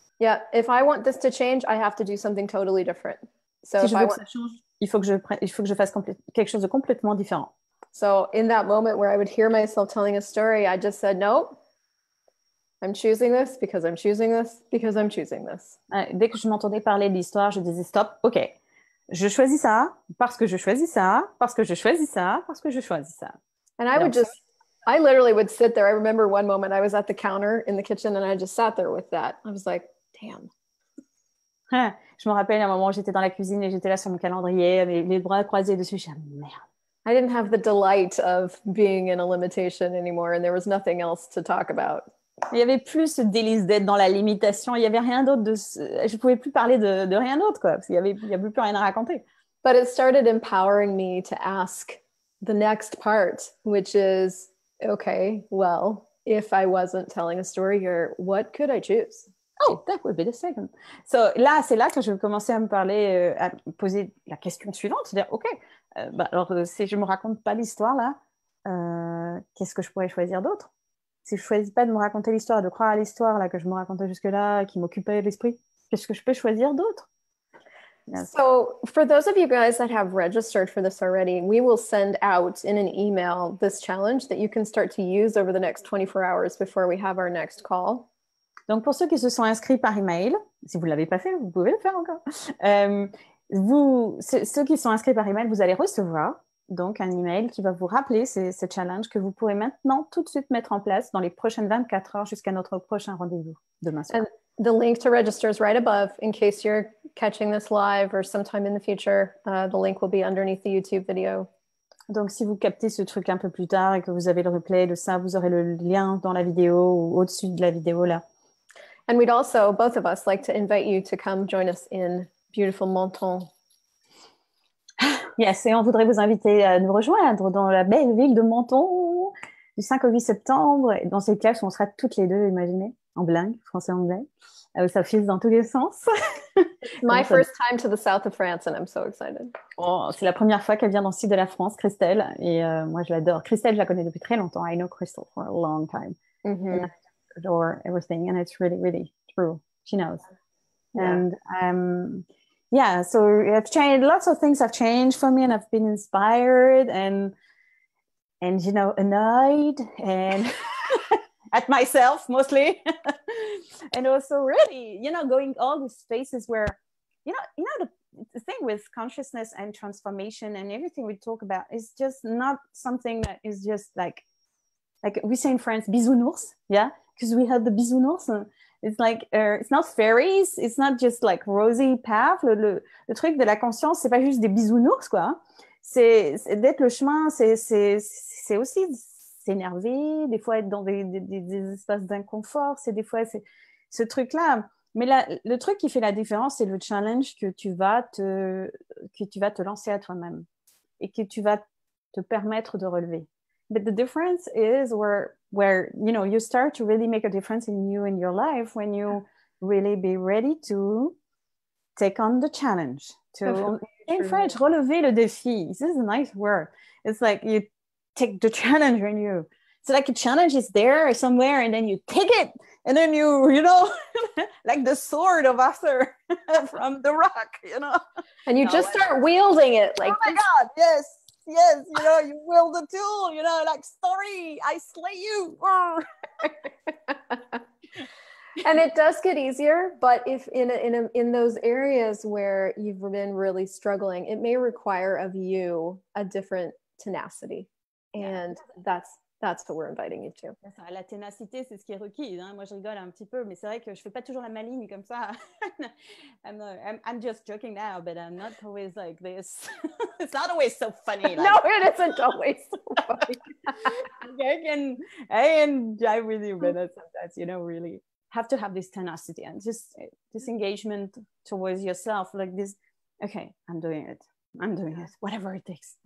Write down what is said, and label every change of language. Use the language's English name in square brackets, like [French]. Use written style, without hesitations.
[English] Yeah, if I want this to change, I have to do something totally different. [French] So si je veux que ça change, il faut que je fasse quelque chose de complètement différent. [English] So in that moment where I would hear myself telling a story, I just said no. I'm choosing this because I'm choosing this because I'm choosing this. [French] Dès que je m'entendais parler de l'histoire, je disais stop, ok. Je choisis ça parce que je choisis ça parce que je choisis ça parce que je choisis ça. [English] And I would just, I literally would sit there. I remember one moment I was at the counter in the kitchen and I just sat there with that. I was like, damn. [French] Je me rappelle un moment où j'étais dans la cuisine et j'étais là sur mon calendrier avec les bras croisés dessus. J'ai dit, merde. [English] I didn't have the delight of being in a limitation anymore and there was nothing else to talk about. [French] Il n'y avait plus ce délice d'être dans la limitation. Il n'y avait rien d'autre. Je ne pouvais plus parler de rien d'autre, quoi. Parce qu'il n'y avait plus rien à raconter. [English] But it started empowering me to ask the next part, which is, okay, well, if I wasn't telling a story here, what could I choose? Oh, that would be the second. [French] So là, c'est là que je commençais à me parler, à poser la question suivante. C'est-à-dire, okay, si je ne me raconte pas l'histoire, là, qu'est-ce que je pourrais choisir d'autre? Si je choisis pas de me raconter l'histoire, de croire à l'histoire là que je me racontais jusque là, qui m'occupait l'esprit, qu'est-ce que je peux choisir d'autre? [English] Yes. So, for those of you guys that have registered for this already, we will send out in an email this challenge that you can start to use over the next 24 hours before we have our next call. [French] Donc pour ceux qui se sont inscrits par email, si vous l'avez pas fait, vous pouvez le faire encore. Ceux qui sont inscrits par email, vous allez recevoir. Donc, un email qui va vous rappeler ce challenge que vous pourrez maintenant tout de suite mettre en place dans les prochaines 24 heures jusqu'à notre prochain rendez-vous demain soir. [English] And the link to register is right above in case you're catching this live or sometime in the future. The link will be underneath the YouTube video. [French] Donc, si vous captez ce truc un peu plus tard et que vous avez le replay de ça, vous aurez le lien dans la vidéo ou au-dessus de la vidéo là. [English] And we'd also, both of us, like to invite you to come join us in beautiful Menton. [French] Yes, et on voudrait vous inviter à nous rejoindre dans la belle ville de Menton du 5 au 8 septembre, dans cette classe où on sera toutes les deux, imaginez, en bilingue, français-anglais, où ça file dans tous les sens. [English] My first time to the south of France and I'm so excited. [French] Oh, c'est la première fois qu'elle vient dans le sud de la France, Christel, et moi je l'adore. Christel, je la connais depuis très longtemps. [English] I know Christel for a long time. [French] Mm-hmm. [English] And I adore everything and it's really, really true. She knows. Yeah. And yeah, so I've changed. Lots of things have changed for me, and I've been inspired and you know annoyed and at myself mostly, and also really, you know, going all these spaces where, you know the thing with consciousness and transformation and everything we talk about is just not something that is just like we say in France, bisounours, yeah, because we have the bisounours. It's like, it's not fairies, it's not just like rosy path. [French] Le truc de la conscience, c'est pas juste des bisounours, quoi. C'est d'être le chemin, c'est aussi s'énerver, des fois être dans des espaces d'inconfort, c'est des fois c'est ce truc-là. Mais le truc qui fait la différence, c'est le challenge que tu vas te lancer à toi-même et que tu vas te permettre de relever. [English] But the difference is where you know you start to really make a difference in you and your life when you really be ready to take on the challenge. To in French, [French] relever le défi. [English] This is a nice word. It's like you take the challenge in you. It's like a challenge is there somewhere, and then you take it, and then you know, like the sword of Arthur from The Rock, you know. And you just start wielding it. Like, oh my God, yes. Yes, you know, you wield the tool, you know, like, story, I slay you. And it does get easier, but if in a, in a, in those areas where you've been really struggling, it may require of you a different tenacity. And that's what we're inviting you to. [French] La ténacité, c'est ce qui est requis. Hein? Moi, je rigole un petit peu, mais c'est vrai que je fais pas toujours la maligne comme ça. [English] I'm just joking now, but I'm not always like this. It's not always so funny. Like... No, it isn't always so funny. I really mean it sometimes, you know, really. Have to have this tenacity and just this engagement towards yourself, like this, okay, I'm doing it, whatever it takes.